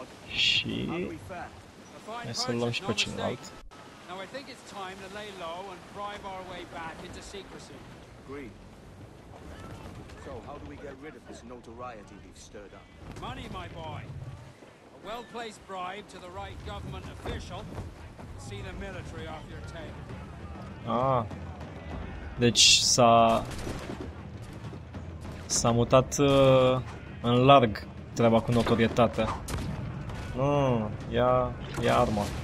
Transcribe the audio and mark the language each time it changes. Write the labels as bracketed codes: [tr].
[ro] Și hai să-l luăm și pe celălalt. [en] Now I think it's time to lay low and drive our way back into secrecy. Agreed. So how do we get rid of this notoriety we've stirred up? Money, my boy. A well-placed bribe to the right government official. See the military off your tail. Ah. [ro] Deci s-a mutat în larg treaba cu notorietatea. Ia armă.